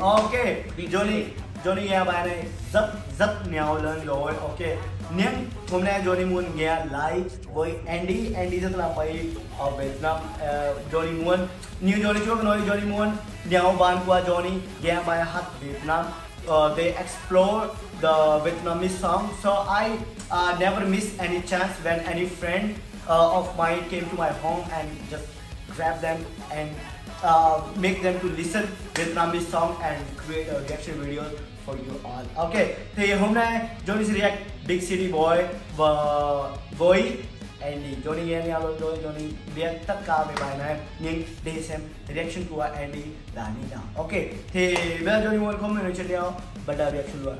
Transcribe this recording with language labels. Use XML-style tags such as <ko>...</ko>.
<vi>Ok, Johnny nghe bài này rất nhiều lần rồi. Ok, nhưng hôm nay Johnny muốn nghe live với Andy rất là bay ở Việt Nam. Johnny muốn như Johnny trước nói, Johnny muốn nhiều bạn của Johnny nghe bài hát Việt Nam.</vi> <en>They explore the Vietnamese song, so I never miss any chance when any friend of mine came to my home and just grab them and make them to listen Vietnamese song and create a reaction video for you all.</en> <vi>Okay, thì hôm nay Johnny sẽ react Big City Boy và với Andy. Johnny nghe nha luôn rồi, Johnny biết tất cả về bài này, nhưng để xem reaction của Andy là như nào. Ok, thì bây giờ Johnny muốn comment ở trên đeo bật đầu reaction luôn.</vi>